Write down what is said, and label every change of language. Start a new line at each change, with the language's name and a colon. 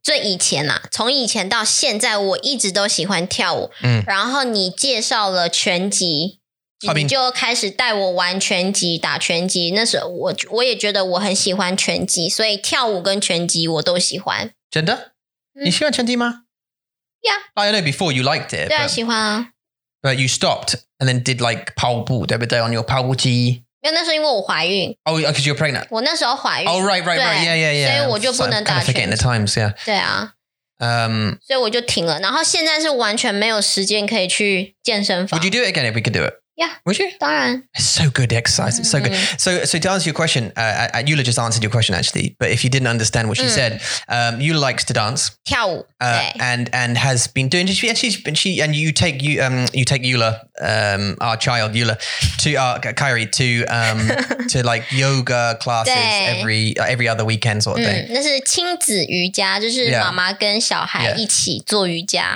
Chinese: 最以前啊，从以前到现在，我一直都喜欢跳舞。然后你介绍了拳击，你就开始带我玩拳击，打拳击。那时候我也觉得我很喜欢拳击，所以跳舞跟拳击我都喜欢。真的？你喜欢拳击吗？
English: Yeah. I know before you liked it.
Chinese: 对啊，喜欢啊。
English: But you stopped and then did like
Chinese: 跑步，对不对？
English: On your 跑步机。
Chinese: 因为那时候因为我怀孕。
English: Oh, because you're pregnant.
Chinese: 我那时候怀孕。
English: Oh, right. Yeah, yeah, yeah.
Chinese: 所以我就不能打拳击。
English: I'm kind of forgetting the times, yeah.
Chinese: 对啊。所以我就停了。然后现在是完全没有时间可以去健身房。
English: Would you do it again if we could do it? Yeah. Would you?
Chinese: 当然。
English: It's so good exercise. It's so good. So to answer your question, Eula just answered your question actually, but if you didn't understand what she said, Eula likes to dance.
Chinese: 跳舞。
English: And has been doing, you take Eula, our child Eula, to Kyrie to like yoga classes every other weekend sort of thing.
Chinese: 那是亲子瑜伽，就是妈妈跟小孩一起做瑜伽。